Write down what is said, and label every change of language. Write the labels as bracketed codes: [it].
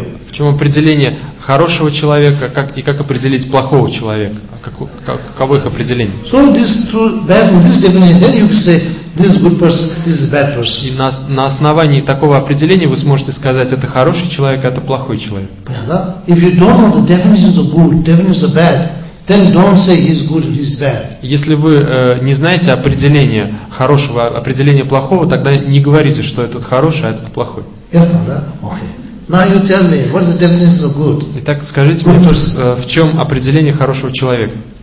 [ru] В чем определение хорошего человека, как определить плохого человека? Каково их определение? [en] So this based on this definition, then you can say this good person, this bad person. [ru] И на основании такого определения вы сможете сказать, это хороший человек, это плохой человек. [en] Yeah. If you don't know the definition of good, definition of bad. Then don't say he's good, he's bad. [ru] Если вы не знаете определение хорошего, определение плохого, тогда не говорите, что этот хороший, а этот плохой. Ясно, да? Окей. [en] Now you tell me, what's the definition of good? [ru] Итак, скажите мне, в чем определение хорошего человека?